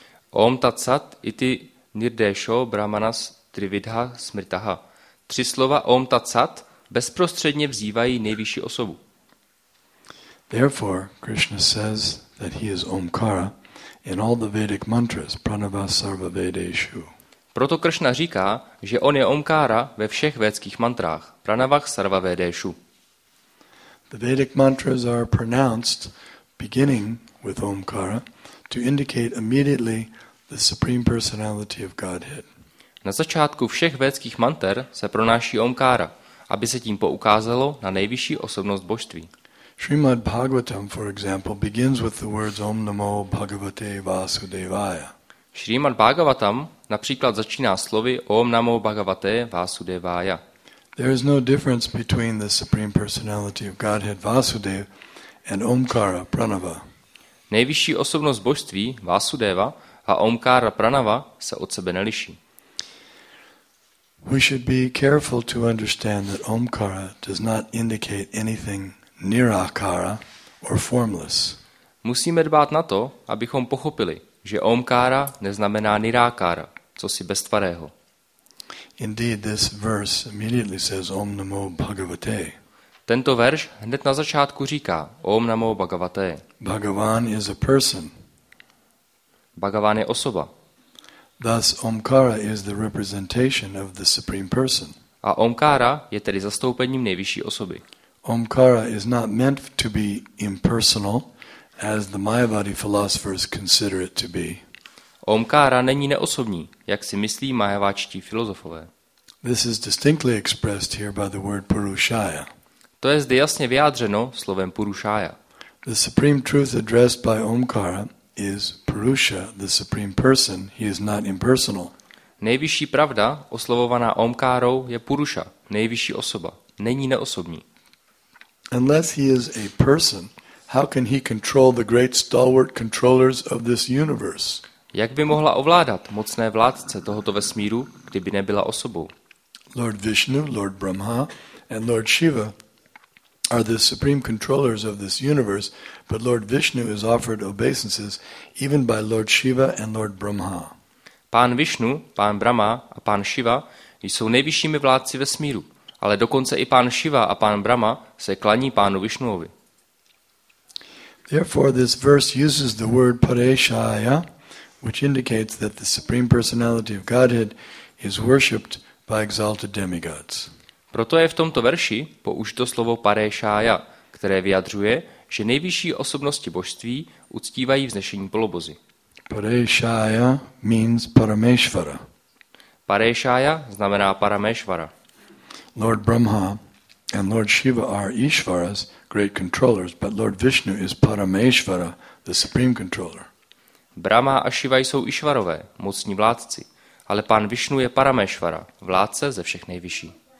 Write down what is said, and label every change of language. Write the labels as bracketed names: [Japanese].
[Sanskrit] Om tat sat iti nirdesho brahmanas trividha smritaha. [Czech] Tři slova om tat sat bezprostředně vzývají nejvyšší osobu. [English] Therefore Krishna says that he is Omkara in all the Vedic mantras [Sanskrit] pranava sarva vedeshu. [Czech] Proto Krishna říká, že on je Omkara ve všech védských mantrách [Sanskrit] pranava sarva vedeshu. [English] The Vedic mantras are pronounced beginning with Omkara to indicate immediately the Supreme Personality of Godhead. [Czech] Na začátku všech védských manter se pronáší Omkara, aby se tím poukázalo na nejvyšší osobnost božství. [English] Srimad Bhagavatam, for example, begins with the words [Sanskrit] Om Namo Bhagavate Vasudevaya. [Czech] Srimad Bhagavatam například začíná slovy [Sanskrit] Om Namo Bhagavate Vasudevaya. [English] There is no difference between the Supreme Personality of Godhead Vasudeva and Omkara Pranava. [Czech] Nejvyšší osobnost božství Vasudeva a Omkara Pranava se od sebe neliší. [English] We should be careful to understand that Omkara does not indicate anything nirakara or formless. [Czech] Musíme dbát na to, abychom pochopili, že Omkara neznamená nirakara, cosi beztvarého. [English] Indeed, this verse immediately says [Sanskrit] Om Namo Bhagavate. [Czech] Tento verš hned na začátku říká [Sanskrit] Om Namo Bhagavate. [English] Bhagavan is a person. [Czech] Bhagavan je osoba. [English] Thus Omkara is the representation of the Supreme Person. [Czech] A Omkara je tedy zastoupením nejvyšší osoby. [English] Omkara is not meant to be impersonal as the Mayavadi philosophers consider it to be. [Czech] Omkara není neosobní, jak si myslí mayavačtí filozofové. [English] This is distinctly expressed here by the word purushaya. [Czech] To je zde jasně vyjádřeno slovem purushaya. [English] The supreme truth addressed by Omkara is Purusha, the Supreme Person. He is not impersonal. [Czech] Nejvyšší pravda oslovovaná Omkárou je Purusha, nejvyšší osoba. Není neosobní. [English] Unless he is a person, how can he control the great stalwart controllers of this universe? [Czech] Jak by mohla ovládat mocné vládce tohoto vesmíru, kdyby nebyla osobou? [English] Lord Vishnu, Lord Brahma, and Lord Shiva are the supreme controllers of this universe, but Lord Vishnu is offered obeisances even by Lord Shiva and Lord Brahma. [Czech] Pán Vishnu, pán Brahma a pán Shiva jsou nejvyššími vládci vesmíru, ale dokonce i pán Shiva a pán Brahma se klaní pánu Vishnuovi. [English] Therefore this verse uses the word pareshaya, which indicates that the supreme personality of Godhead is worshipped by exalted demigods. [Czech] Proto je v tomto verši použito slovo parešája, které vyjadřuje, že nejvyšší osobnosti božství uctívají vznešení polobozy. [English] Parešája means Parameshvara. [Czech] Parešája znamená Parameshvara. [English] Lord Brahma and Lord Shiva are Ishvaras, great controllers, but Lord Vishnu is Parameshvara, the supreme controller. [Czech] Brahma a Shiva jsou Ishvarové, mocní vládci, ale pán Vishnu je Parameshvara, vládce ze všech nejvyšší.